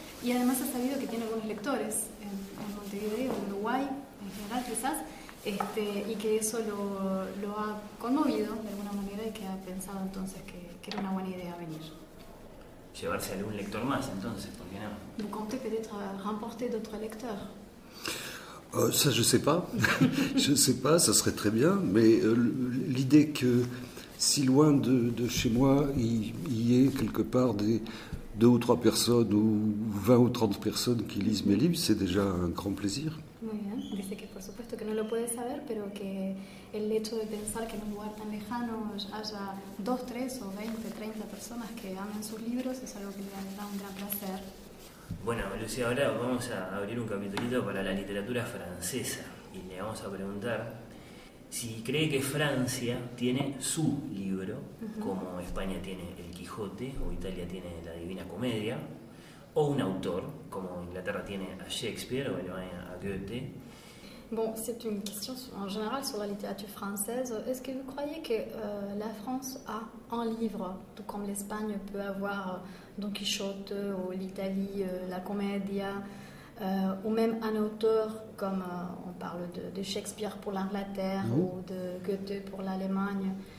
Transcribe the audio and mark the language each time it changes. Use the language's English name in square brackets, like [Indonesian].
[Spanish] Y además ha sabido que tiene algunos lectores en Montevideo, en Uruguay, en general quizás, y que eso lo ha conmovido de alguna manera y que ha pensado entonces que era una buena idea venir. Llevarse a algún lector más, entonces, ¿por qué no? [French] ¿Vous comptez peut-être remporter d'autres lecteurs? Ça, je sais pas. Je sais pas, ça serait très bien. Mais l'idée que si loin de chez moi, il y ait quelque part des 2 ou 3 personnes ou 20 ou 30 personnes qui lisent mes livres, c'est déjà un grand plaisir. [Spanish] Muy bien. Dice que, por supuesto, que no lo puede saber, pero que el hecho de pensar que en un lugar tan lejano haya 2, 3 o 20, 30 personas que amen sus libros es algo que le da un gran placer. Bueno, Lucía, ahora vamos a abrir un capitulito para la literatura francesa y le vamos a preguntar si cree que Francia tiene su libro, como España tiene El Quijote o Italia tiene La Divina Comedia, o un autor, como Inglaterra tiene a Shakespeare o Alemania a Goethe. [French] Bon, c'est une question en général sur la littérature française. Est-ce que vous croyez que la France a un livre, tout comme l'Espagne peut avoir Don Quichotte, ou l'Italie, La Commedia, ou même un auteur, comme on parle de Shakespeare pour l'Angleterre, ou de Goethe pour l'Allemagne?